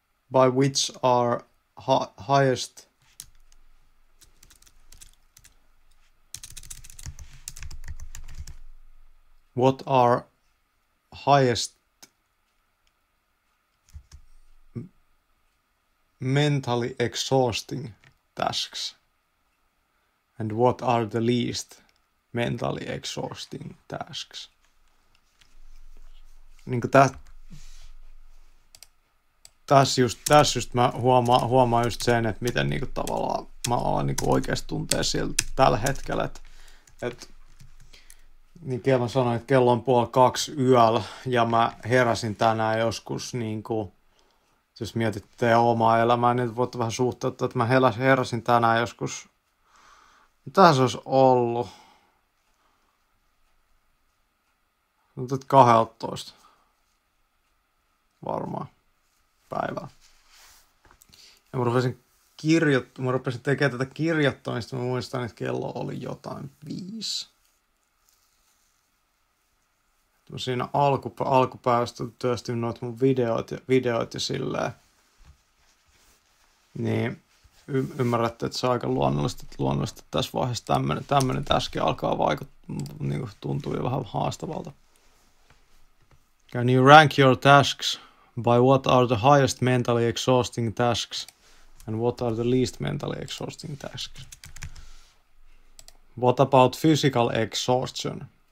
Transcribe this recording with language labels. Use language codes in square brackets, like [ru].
[en] by which are highest what are highest mentally exhausting tasks and what are the least mentally exhausting tasks? [fi] Tässä just mä huomaan just sen, että miten niinku tavallaan mä alan niinku oikeasti tuntea sieltä tällä hetkellä, että niin kello sanoin, että kello on 1:30 yöllä ja mä heräsin tänään joskus niinku, jos mietitte omaa elämää, niin voit vähän suhteuttaa, että mä heräsin tänään joskus, mitä se olisi ollut? 12 varmaan. päivää. Ja mä rupesin tekemään tätä kirjoittamista, mä muistan, että kello oli jotain 5. Mä siinä alkupäivästä työstin noita mun videoit ja silleen. Niin, ymmärrätte, että se on aika luonnollista tässä vaiheessa tämmöinen täski alkaa vaikuttaa, niin kuin tuntuu jo vähän haastavalta. [en] Can you rank your tasks by what are the highest mentally exhausting tasks and what are the least mentally exhausting tasks? What about physical exhaustion?